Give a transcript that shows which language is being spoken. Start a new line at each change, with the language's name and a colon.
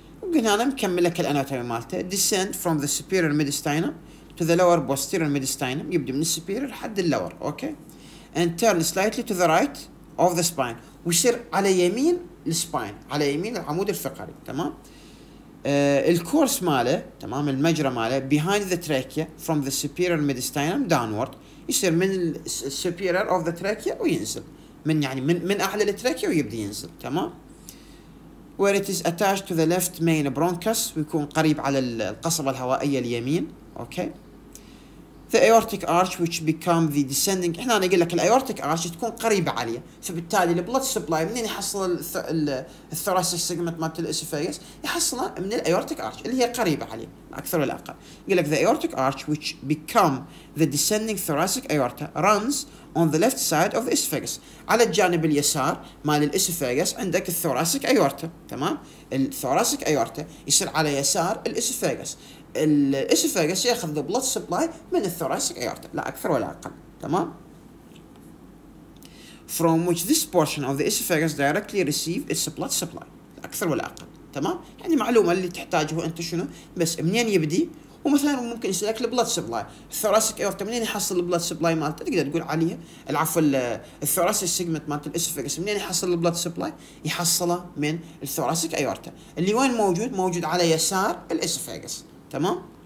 Arabic: وقلنا انا مكمل لك الاناتومي مالته
English: descend from the superior mediastinum to the lower posterior mediastinum
Arabic: يبدا من السوبيريور لحد اللور اوكي
English: and turn slightly to the right of the spine
Arabic: ويصير على يمين السباين على يمين العمود الفقري تمام. الكورس ماله تمام المجرى ماله
English: behind the trachea from the superior mediastinum downward
Arabic: يصير من superior of the trachea وينزل من يعني من أعلى التراكيا ويبدي ينزل تمام.
English: where it is attached to the left main bronchus
Arabic: ويكون قريب على القصبة الهوائية اليمين
English: okay. the aortic arch which become the descending
Arabic: احنا نقول لك الايورتيك arch تكون قريبة عليه فبالتالي البلد سبلاي منين يحصل الثوراسيك سيجمنت مالت الاسفاجس يحصلها من الايورتيك arch اللي هي قريبة عليه اكثر ولا اقل.
English: يقول لك the aortic arch which become the descending thoracic aorta runs on the left side of the esophagus
Arabic: على الجانب اليسار مال الاسفاجس عندك الثوراسيك aorta تمام. الثوراسيك aorta يصير على يسار الاسفاجس الاسفاجس ياخذ
English: the blood supply
Arabic: من الثوراسيك ايورتا لا اكثر ولا اقل تمام.
English: From which this portion of the esophagus directly receive its blood supply
Arabic: لا اكثر ولا اقل تمام. يعني معلومه اللي تحتاجه انت شنو بس منين يبدي ومثلا ممكن يسالك البلود سبلاي الثوراسيك ايورتا منين يحصل البلود سبلاي مالته تقدر تقول عليه العفو الثوراسيك سيجمنت مالت الاسفاجس منين يحصل البلود سبلاي يحصله من الثوراسيك ايورتا اللي وين موجود؟ موجود على يسار الاسفاجس تمام.